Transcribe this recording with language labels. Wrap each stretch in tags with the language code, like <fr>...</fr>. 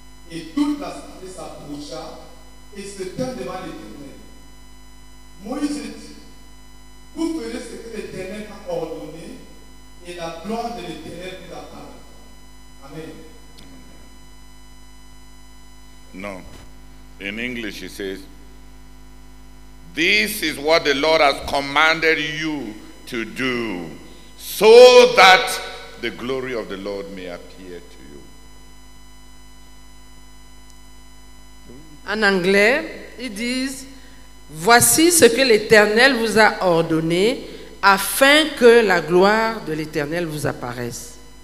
<fr>Et toute l'assemblée s'approcha et se tint devant l'Éternel. Moïse dit, vous ferez ce que l'Éternel a ordonné et la gloire de l'Éternel vous apparaîtra. Amen.</fr> <en>No. In English he says, this is what the Lord has commanded you to do so that the glory of the Lord may appear to you.</en> <fr>En anglais, ils disent, voici ce que l'Éternel vous a ordonné afin que la gloire de l'Éternel vous apparaisse.</fr>